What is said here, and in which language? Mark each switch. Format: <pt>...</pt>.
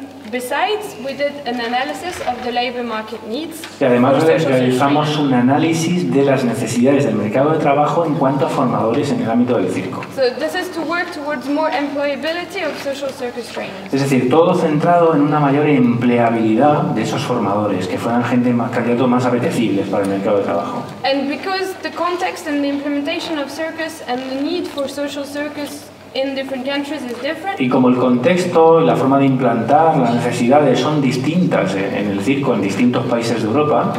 <en>Besides, we did an analysis of the labor market needs.</en> <es>Y además realizamos un análisis de las necesidades del mercado de trabajo en cuanto a formadores en el ámbito del circo.</es> <en>So this is to work towards more employability of social circus trainers.</en> <es>Es decir, todo centrado en una mayor empleabilidad de esos formadores, que fueran gente más candidatos más apetecibles para el mercado de trabajo.</es> <en>And because the context and the implementation of circus and the need for social circus in different countries is different.</en> <es>Y como el contexto y la forma de implantar las necesidades son distintas en el circo en distintos países de Europa.</es>